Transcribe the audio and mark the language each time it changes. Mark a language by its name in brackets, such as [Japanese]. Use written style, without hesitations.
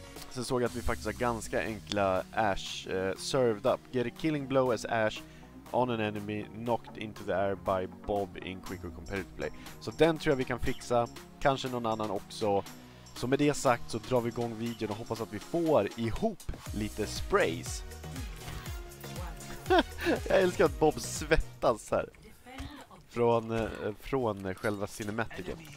[Swedish] Sen såg jag att vi faktiskt har ganska enkla Ash served up. [English] Get a killing blow as Ash on an enemy knocked into the air by Bob in quick or competitive play. [Swedish] Så den tror jag vi kan fixa, kanske någon annan också. Så med det sagt så drar vi igång videon och hoppas att vi får ihop lite sprays. Jag älskar att Bob svettas här från själva cinematiken.